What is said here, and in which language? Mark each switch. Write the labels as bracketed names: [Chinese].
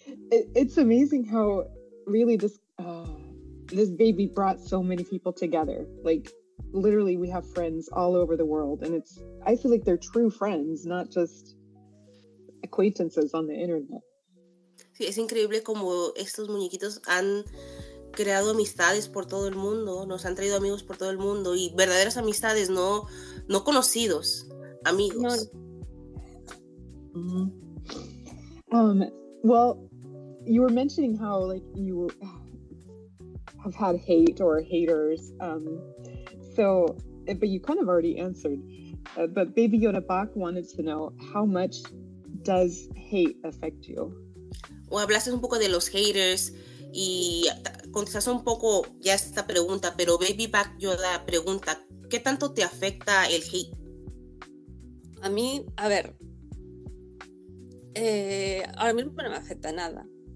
[English] It's amazing how really this baby brought so many people together. Like, literally, we have friends all over the world, and I feel like they're true friends, not just acquaintances on the internet. [Spanish] Sí, es increíble cómo estos muñequitos han creado amistades por todo el mundo, nos han traído amigos por todo el mundo, y verdaderas amistades, no conocidos, amigos. No. Mm-hmm. [English] Well, you were mentioning how, like, you have had hate or haters. But you kind of already answered. But Baby Yoda Bach wanted to know, how much does hate affect you? [Spanish] O hablaste un poco de los haters y contestaste un poco ya esta pregunta, pero Baby Bach Yoda pregunta, ¿qué tanto te afecta el hate? A mí, a ver. Ahora mismo no me afecta nada.